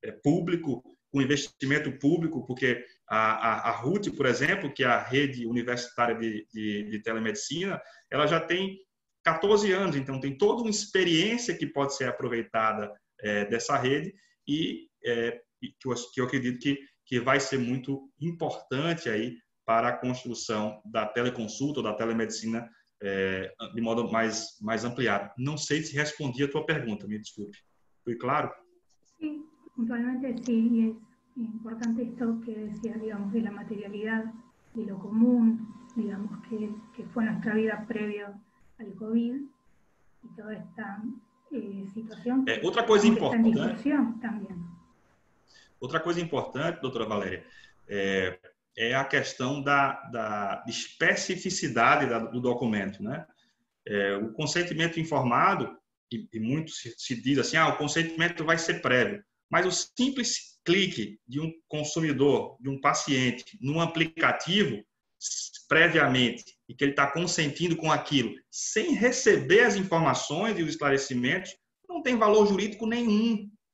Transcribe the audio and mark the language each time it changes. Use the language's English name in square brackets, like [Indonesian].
[Portuguese] público, com investimento público, porque a RUT, por exemplo, que é a Rede Universitária de Telemedicina, ela já tem 14 anos, então tem toda uma experiência que pode ser aproveitada dessa rede e que eu acredito que vai ser muito importante aí para a construção da teleconsulta ou da telemedicina de modo mais ampliado. Não sei se respondi a tua pergunta, me desculpe. Foi claro? Sim, totalmente sim. [Spanish] E é importante isso que decía, digamos, de la materialidad, de lo común, digamos, que fue nuestra vida previa al COVID y toda esta situación. Otra cosa importante. Esta discusión también. [Portuguese] Outra coisa importante, doutora Valéria, é a questão da especificidade do documento, né? O consentimento informado, e muito se diz assim, o consentimento vai ser prévio, mas o simples clique de um consumidor, de um paciente, num aplicativo, previamente, e que ele está consentindo com aquilo, sem receber as informações e os esclarecimentos, não tem valor jurídico nenhum.